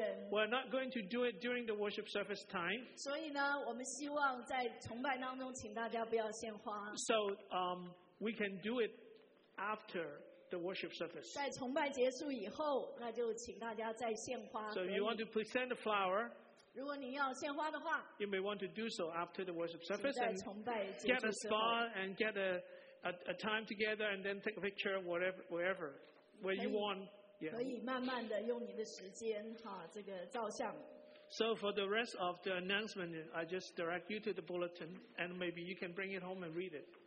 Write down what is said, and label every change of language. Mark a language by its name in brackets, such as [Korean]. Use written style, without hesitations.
[English] We're not going to do it during the worship service time. So, we can do it after the worship service. [Chinese] 在崇拜结束以后, 那就请大家再献花, [English] so, if you want to present a flower, [Chinese] 如果你要献花的话, [English] you may want to do so after the worship service. And get a spot and get a time together and then take a picture wherever. Where you want, yeah. So for the rest of the announcement, I just direct you to the bulletin, and maybe you can bring it home and read it.